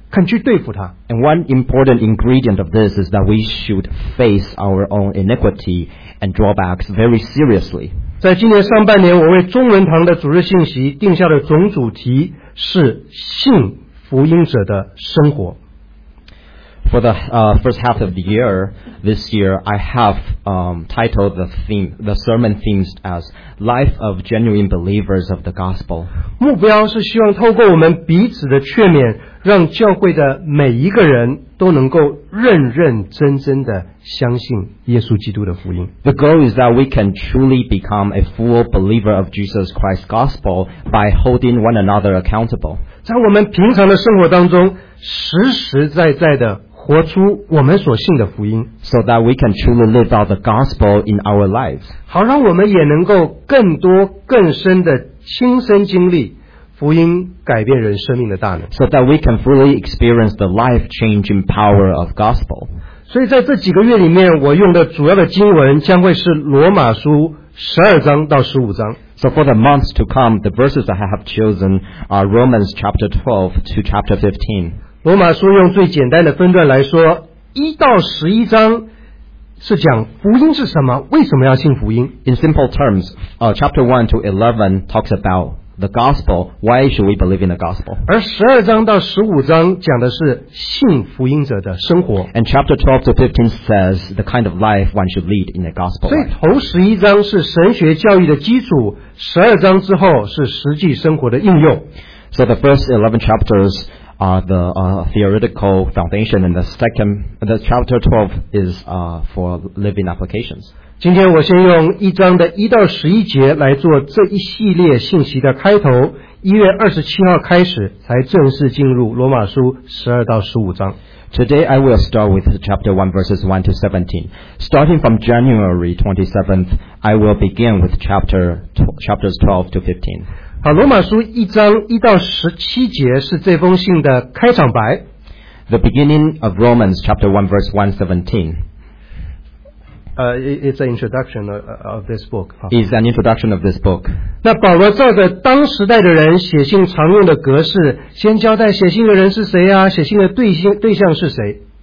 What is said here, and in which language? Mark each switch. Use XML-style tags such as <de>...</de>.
<zh>肯去对付他。</zh> <en>And one important ingredient of this is that we should face our own iniquity and drawbacks very seriously.</en> <zh>在今年上半年，我为中文堂的主日信息定下的总主题是信福音者的生活。</zh> <en>For the first half of the year, this year, I have titled the theme, the sermon themes as Life of Genuine Believers of the Gospel.</en> <zh>目标是希望透过我们彼此的劝勉，让教会的每一个人都能够认认真真的相信耶稣基督的福音。</zh> <en>The goal is that we can truly become a full believer of Jesus Christ's gospel by holding one another accountable.</en> <zh>在我们平常的生活当中，实实在在的活出我们所信的福音。</zh> <en>So that we can truly live out the gospel in our lives.</en> <zh>好让我们也能够更多更深的亲身经历福音改变人生命的大能。</zh> <en>So that we can fully experience the life-changing power of gospel.</en> <zh>所以在这几个月里面，我用的主要的经文将会是罗马书十二章到十五章。</zh> <en>So for the months to come, the verses I have chosen are Romans chapter 12 to chapter 15.</en> <zh>罗马书用最简单的分段来说，一到十一章是讲福音是什么，为什么要信福音。</zh> <en>In simple terms, chapter 1 to 11 talks about the gospel. Why should we believe in the gospel?</en> <zh>而十二章到十五章讲的是信福音者的生活。</zh> <en>And chapter 12 to 15 says the kind of life one should lead in the gospel.</en> <zh>所以头十一章是神学教育的基础，十二章之后是实际生活的应用。</zh> <en>So the first 11 chapters. Theoretical foundation, and the chapter 12 is for living applications.</en> <zh>今天我先用一章的一到十一节来做这一系列信息的开头，一月二十七号开始才正式进入罗马书十二到十五章。</zh> <en>Today I will start with chapter 1 verses 1 to 17. Starting from January 27th, I will begin with chapters 12 to 15.</en> <zh>好，罗马书一章一到十七节是这封信的开场白。</zh> <en>The beginning of Romans chapter 1 verse 117. It's an introduction of this book. It's an introduction of this book.</en> <zh>那保罗照着当时代的人写信常用的格式，先交代写信的人是谁啊，写信的对象是谁。</zh>